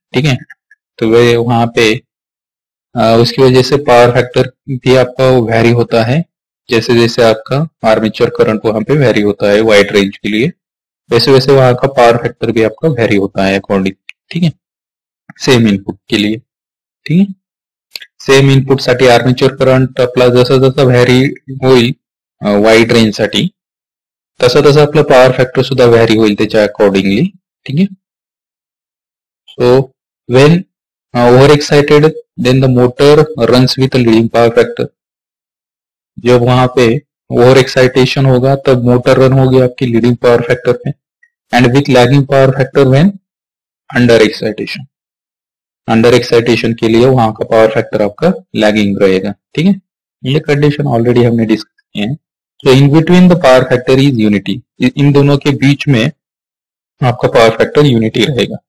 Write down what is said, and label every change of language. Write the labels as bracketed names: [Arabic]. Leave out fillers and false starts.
[Hindi] ठीक है, तो वे वहां पे उसकी वजह से पावर फैक्टर भी आपका वेरी होता है, जैसे जैसे आपका आर्मेचर करंट वहां पे वेरी होता है वाइड रेंज के लिए, वैसे वैसे वहां का पावर फैक्टर भी आपका वेरी होता है अकॉर्डिंग। ठीक है, सेम इनपुट के लिए। [Marathi] ठीक है, सेम इनपुट साठी आर्मेचर करंट आपला जसा जसा वेरी होईल वाइड रेंज साठी तसा तसा आपला पावर फॅक्टर सुद्धा वेरी होईल त्याच्या अकॉर्डिंगली। ठीक आहे, [English] So when over excited then the motor runs with leading power factor. [Hindi] जब वहां पे ओव्हर एक्साइटेशन होगा तब मोटर रन होगी आपकी लीडिंग पावर फॅक्टर पे, [English] And with lagging power factor when under excitation. [Hindi] Under excitation के लिए वहां का पावर फैक्टर आपका लैगिंग रहेगा। ठीक है, ये कंडीशन ऑलरेडी हमने डिस्कस किए हैं। [English] so in between the power factor is unity, [Hindi] इन दोनों के बीच में आपका पावर फैक्टर यूनिटी रहेगा।